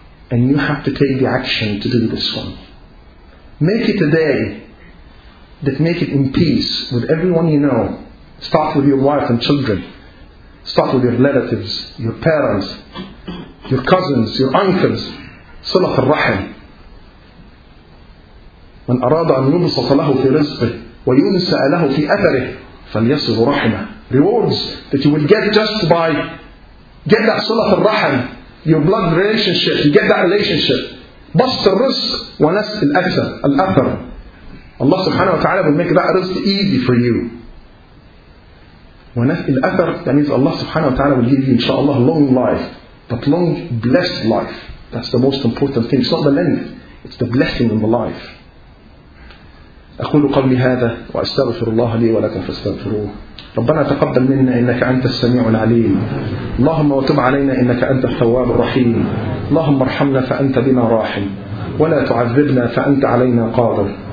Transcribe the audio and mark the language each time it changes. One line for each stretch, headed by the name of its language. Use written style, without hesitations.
English: And you have to take the action to do this one. Make it a day that make it in peace with everyone you know. Start with your wife and children. Start with your relatives, your parents, your cousins, your uncles.
Arabic: صلح الرحم. من أراد أن يبسط له في رزقه وينسى له في أثره فليصل رحمه.
English: Rewards that you will get just by get that
Arabic: صلح الرحم,
English: your blood relationship, you get that relationship.
Arabic: بسط الرزق ونسى الأثر. الأثر.
English: Allah subhanahu wa ta'ala will make that rizq easy for you.
Arabic: ونسى الأثر,
English: that means Allah subhanahu wa ta'ala will give you inshaAllah long life, but long blessed life. That's the most important thing. It's not the length, it's the blessing in the life.
Arabic: أقول قولي هذا وأستغفر الله لي ولكم فاستغفروه. ربنا تقبل منا إنك أنت السميع العليم. اللهم وتب علينا إنك أنت الثواب الرحيم. اللهم ارحمنا فأنت بنا راحم, ولا تعذبنا فأنت علينا قادر.